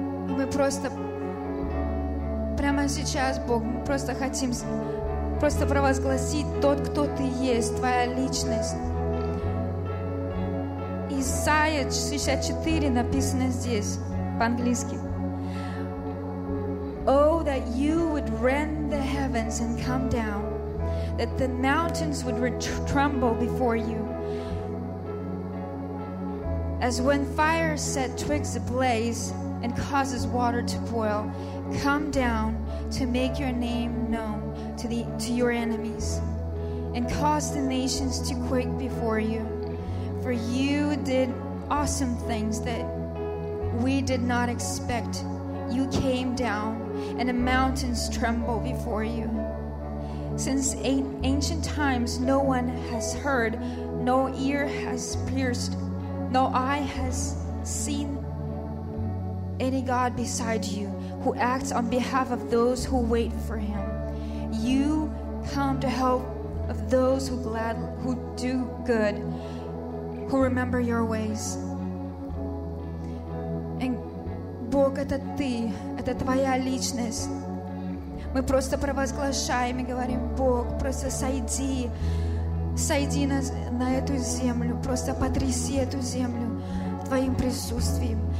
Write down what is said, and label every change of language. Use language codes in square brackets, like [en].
[ru] Мы просто... Прямо сейчас, Бог, мы просто хотим просто провозгласить тот, кто Ты есть, Твоя личность. Исаия 64 написано здесь, по-английски. [en] Oh, that you would rend the heavens and come down, that the mountains would tremble before you. As when fire set twigs ablaze and causes water to boil, come down to make your name known to your enemies, and cause the nations to quake before you. For you did awesome things that we did not expect. You came down, and the mountains tremble before you. Since ancient times, no one has heard, no ear has pierced, no eye has seen any God beside you, who acts on behalf of those who wait for Him. You come to help of those who who do good, who remember your ways. [ru] And Бог, это Ты, это Твоя личность. Мы просто провозглашаем и говорим: Бог, просто сойди, сойди на эту землю, просто потряси эту землю Твоим присутствием.